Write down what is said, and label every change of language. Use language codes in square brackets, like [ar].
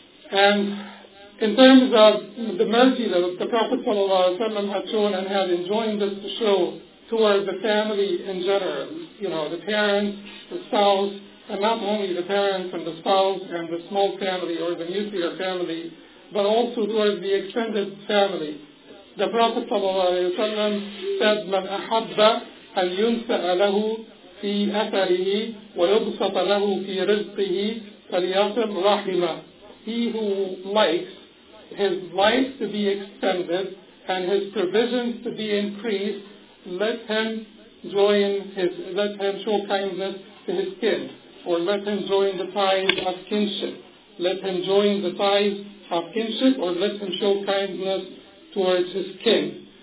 [en] And in terms of the mercy that the Prophet ﷺ had shown and had enjoined us to show towards the family in general, you know, the parents, the spouse, and not only the parents and the spouse and the small family or the nuclear family, but also towards the extended family. The Prophet ﷺ said, [ar] مَنْ أَحَبَّ أَنْ يُنْسَأَ لَهُ فِي أَثَرِهِ وَيُبْسَطَ لَهُ فِي رِزْقِهِ فَلْيَصِلْ رَحِمَهُ. [en] He who likes his life to be extended and his provisions to be increased, let him show kindness to his kin, or let him join the ties of kinship. Let him join the ties of kinship, or let him show kindness towards his kin.